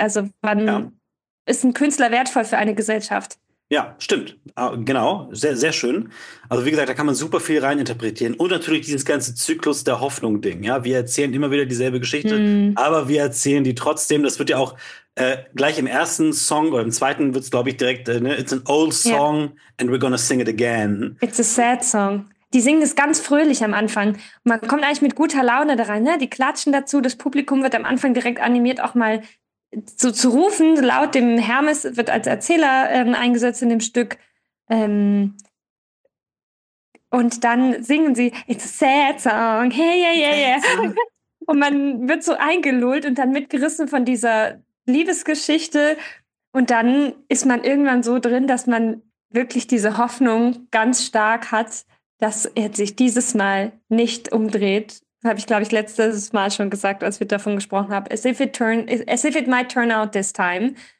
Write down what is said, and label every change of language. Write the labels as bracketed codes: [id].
[de] Also wann ist ein Künstler wertvoll für eine Gesellschaft? Ja, stimmt. Genau, sehr, sehr schön. Also wie gesagt, da kann man super viel reininterpretieren. Und natürlich dieses ganze Zyklus der Hoffnung-Ding. Ja, wir erzählen immer wieder dieselbe Geschichte, aber wir erzählen die trotzdem. Das wird ja auch gleich im ersten Song oder im zweiten wird es, glaube ich, direkt, ne? [en] It's an old song and we're gonna sing it again. It's a sad song. [de] Die singen es ganz fröhlich am Anfang. Man kommt eigentlich mit guter Laune da rein. Ne? Die klatschen dazu, das Publikum wird am Anfang direkt animiert, auch mal zu rufen, laut dem Hermes wird als Erzähler eingesetzt in dem Stück. Und dann singen sie, [en] it's a sad song, hey, yeah, yeah, [de] yeah. Und man wird so eingelullt und dann mitgerissen von dieser Liebesgeschichte. Und dann ist man irgendwann so drin, dass man wirklich diese Hoffnung ganz stark hat, dass er sich dieses Mal nicht umdreht. Habe ich, glaube ich, letztes Mal schon gesagt, als wir davon gesprochen haben. [en] As if it might turn out this time.